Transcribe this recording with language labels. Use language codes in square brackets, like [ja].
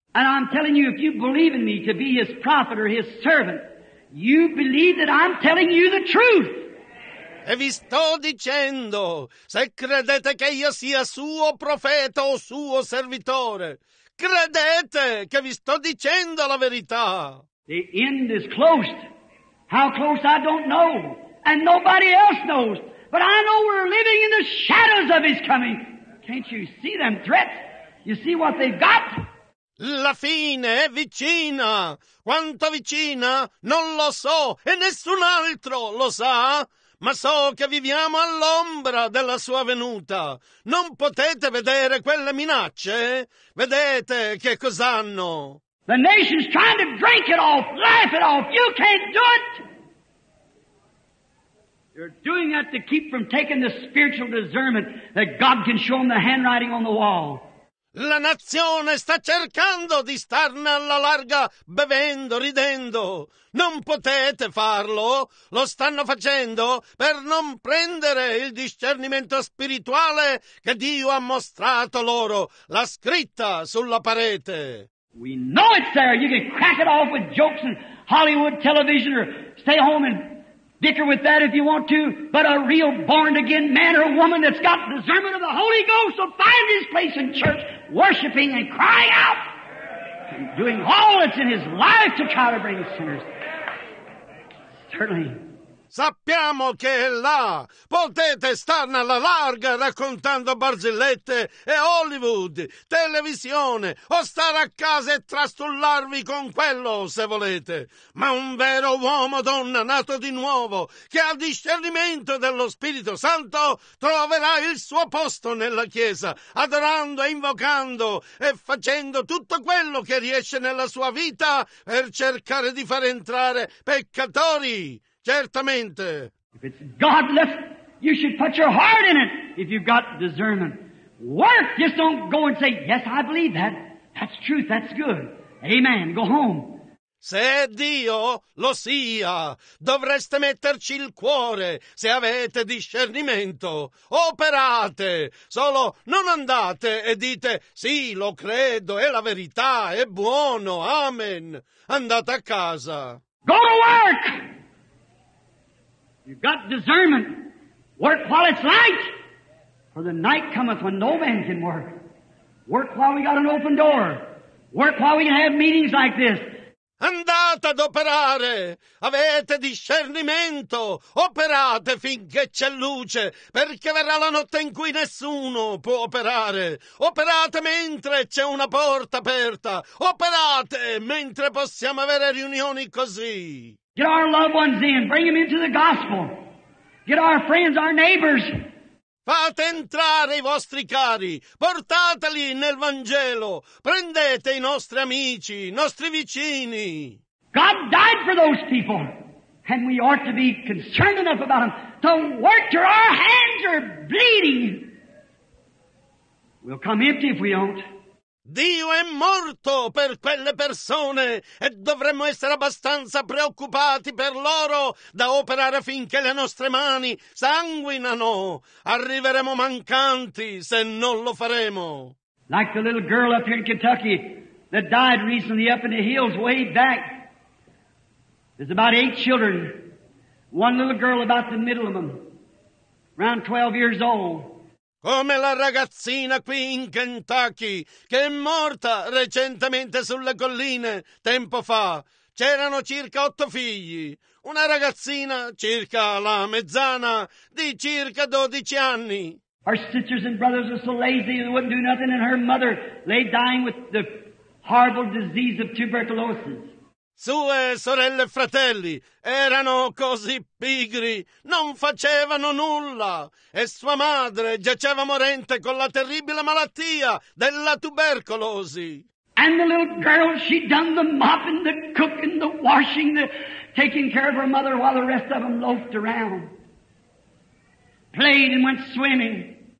[en] And I'm telling you, if you believe in me to be his prophet or his servant, you believe that I'm telling you the truth. [it] E vi sto dicendo, se credete che io sia suo profeta o suo servitore, credete che vi sto dicendo la verità. [en] The end is closed. How close I don't know, and nobody else knows, but I know we're living in the shadows of His coming. Can't you see them threats? You see what they've got? [it] La fine è vicina. Quanto vicina? Non lo so, e nessun altro lo sa. Ma so che viviamo all'ombra della sua venuta. Non potete vedere quelle minacce? Vedete che cos'hanno? [en] The nation's trying to drink it off, laugh it off. You can't do it. They're doing that to keep from taking the spiritual discernment that God can show them the handwriting on the wall. [it] La nazione sta cercando di starne alla larga, bevendo, ridendo. Non potete farlo. Lo stanno facendo per non prendere il discernimento spirituale che Dio ha mostrato loro, la scritta sulla parete. [en] We know it's there. You can crack it off with jokes and Hollywood television or stay home and dicker with that if you want to. But a real born-again man or woman that's got discernment of the Holy Ghost will find his place in church worshiping and crying out and doing all that's in his life to try to bring sinners. Certainly. [it] Sappiamo che è là. Potete starne alla larga raccontando barzellette e Hollywood, televisione, o stare a casa e trastullarvi con quello se volete. Ma un vero uomo o donna nato di nuovo, che ha discernimento dello Spirito Santo, troverà il suo posto nella Chiesa, adorando e invocando e facendo tutto quello che riesce nella sua vita per cercare di far entrare peccatori. Certamente. [en] If it's God, let's You should put your heart in it if you've got discernment. Work! Just don't go and say, yes, I believe that. That's truth. That's good. Amen. Go home. [it] Se Dio lo sia, dovreste metterci il cuore, se avete discernimento, operate, solo non andate e dite, sì, lo credo, è la verità, è buono, amen, andate a casa. [en] Go to work! You've got discernment. Work while it's light, for the night cometh when no man can work. Work while we got an open door. Work while we can have meetings like this. [it] Andate ad operare, avete discernimento, operate finché c'è luce, perché verrà la notte in cui nessuno può operare. Operate mentre c'è una porta aperta, operate mentre possiamo avere riunioni così. [en] Get our loved ones in, bring them into the gospel. Get our friends, our neighbors. [it] Fate entrare i vostri cari, portateli nel Vangelo, prendete i nostri amici, i nostri vicini. [en] God died for those people, and we ought to be concerned enough about them to work till our hands are bleeding. We'll come empty if we don't. [it] Dio è morto per quelle persone e dovremmo essere abbastanza preoccupati per loro da operare finché le nostre mani sanguinano. Arriveremo mancanti se non lo faremo. [en] Like the little girl up here in Kentucky that died recently up in the hills way back. There's about 8 children. One little girl about the middle of them, around 12 years old. [it] Come la ragazzina qui in Kentucky, che è morta recentemente sulle colline, tempo fa. C'erano circa 8 figli. Una ragazzina, circa la mezzana, di circa 12 anni. [en] Our sisters and brothers are so lazy they wouldn't do nothing, and her mother lay dying with the horrible disease of tuberculosis. [it] Sue sorelle e fratelli erano così pigri, non facevano nulla, e sua madre giaceva morente con la terribile malattia della tubercolosi. [en] And the little girl, she done the mopping, the cooking, the washing, the taking care of her mother while the rest of them loafed around, played and went swimming.